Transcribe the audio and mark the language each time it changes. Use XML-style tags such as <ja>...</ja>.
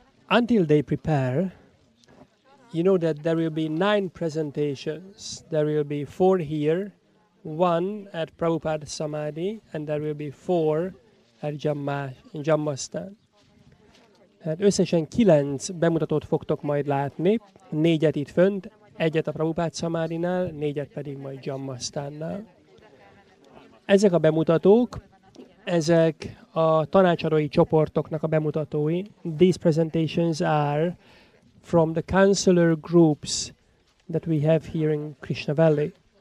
<en>Until they prepare, you know that there will be 9 presentations. There will be 4 here, 1 at Prabhupada Samadhi, and there will be 4 at Jammasthan.</en> <hu>Hát összesen 9 bemutatót fogtok majd látni, 4 itt fönt, 1 a Prabhupád Szamádinál, 4 pedig majd Jammasthannál. Ezek a bemutatók, ezek a tanácsadói csoportoknak a bemutatói.</hu> <en>These presentations are from the counselor groups that we have here in Krishna Valley.</en>